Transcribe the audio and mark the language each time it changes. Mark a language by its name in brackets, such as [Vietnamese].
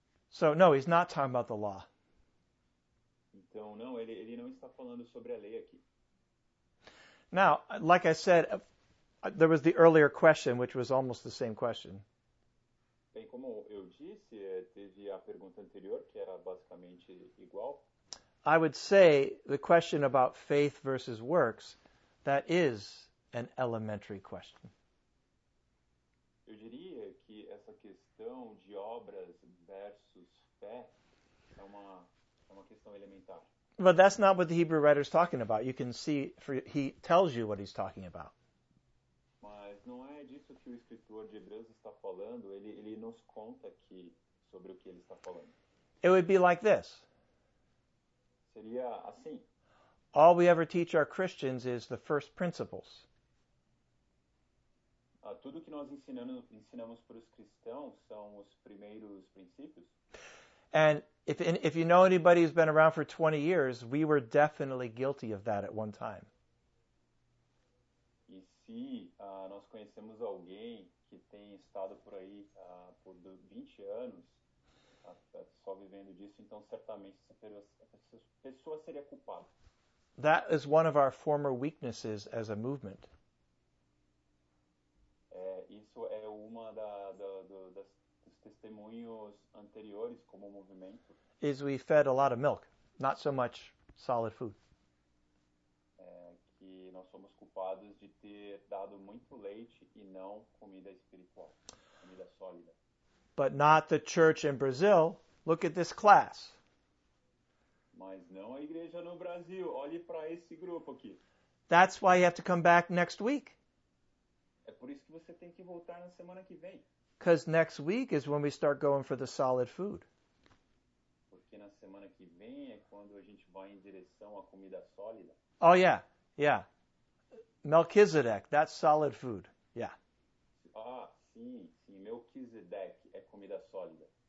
[English] So, no, he's not talking about the law. [Portuguese] Então, não, ele não está falando sobre a lei aqui. [English] Now, like I said, there was the earlier question, which was almost the same question. [Portuguese] Bem, como eu disse, teve a pergunta anterior, que era basicamente igual. [English] I would say the question about faith versus works, that is an elementary question. [Portuguese] Eu diria que essa questão de obras versus fé é uma questão elementar. [English] But that's not what the Hebrew writer is talking about. You can see, he tells you what he's talking about. [Portuguese] Mas não é disso que o escritor de Hebreus está falando. Ele nos conta aqui sobre o que ele está falando. [English] It would be like this. [Portuguese] Seria assim. [English] All we ever teach our Christians is the first principles. [Portuguese] Tudo que nós ensinamos para os cristãos são os primeiros princípios. [English] And if you know anybody who's been around for 20 years, we were definitely guilty of that at one time. [Portuguese] E se nós conhecemos alguém que tem estado por aí por 20 anos, só vivendo disso, então certamente essa pessoa seria culpada. [English] That is one of our former weaknesses as a movement. [Portuguese] Isso é uma dos testemunhos anteriores como movimento. [English] Is we fed a lot of milk, not so much solid food. [Portuguese] Que nós somos culpados de ter dado muito leite e não comida espiritual, comida sólida. [English] But not the church in Brazil. Look at this class. [Portuguese] Mas não a igreja no Brasil. Olhe para esse grupo aqui. [English] That's why you have to come back next week. [Portuguese] É por isso que você tem que voltar na semana que vem. [English] Because next week is when we start going for the solid food. [Portuguese] Porque na semana que vem é quando a gente vai em direção à comida sólida. [English] Oh, yeah, yeah. Melchizedek, that's solid food, yeah. [Portuguese] Ah, sim, sim, Melchizedek é comida sólida.